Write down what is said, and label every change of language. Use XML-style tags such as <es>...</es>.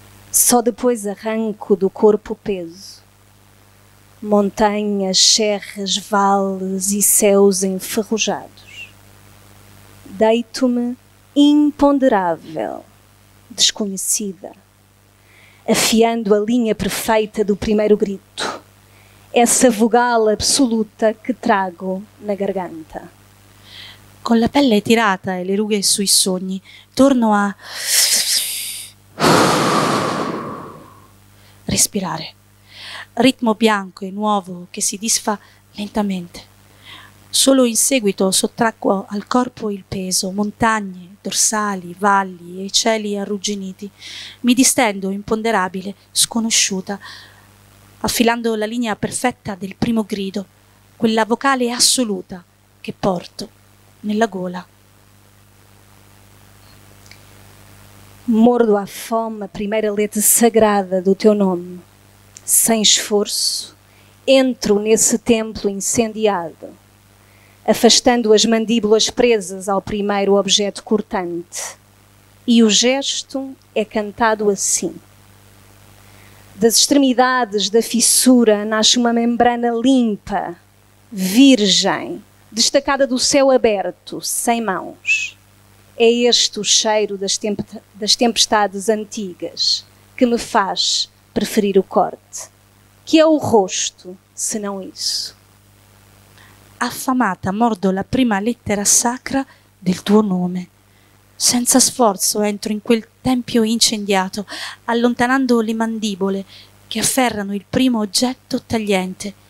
<pt>Só depois arranco do corpo peso, montanhas, serras, vales e céus enferrujados. Deito-me imponderável, desconhecida, afiando a linha perfeita do primeiro grito, essa vogal absoluta que trago na garganta.</pt> <it>Con la pelle tirata e le rughe sui sogni, torno a respirare. Ritmo bianco e nuovo che si disfa lentamente. Solo in seguito sottraggo al corpo il peso, montagne, dorsali, valli e cieli arrugginiti. Mi distendo imponderabile, sconosciuta, affilando la linea perfetta del primo grido, quella vocale assoluta che porto nella gola.</it> <pt>Mordo a fome primeira letra sagrada do teu nome. Sem esforço, entro nesse templo incendiado, afastando as mandíbulas presas ao primeiro objeto cortante. E o gesto é cantado assim. Das extremidades da fissura nasce uma membrana limpa, virgem, destacada do céu aberto, sem mãos. É este o cheiro das tempestades antigas que me faz preferir o corte. Que é o rosto, se não isso?</pt> <it>Affamata mordo la prima lettera sacra del tuo nome. Senza sforzo entro in quel tempio incendiato, allontanando le mandibole che afferrano il primo oggetto tagliente.</it>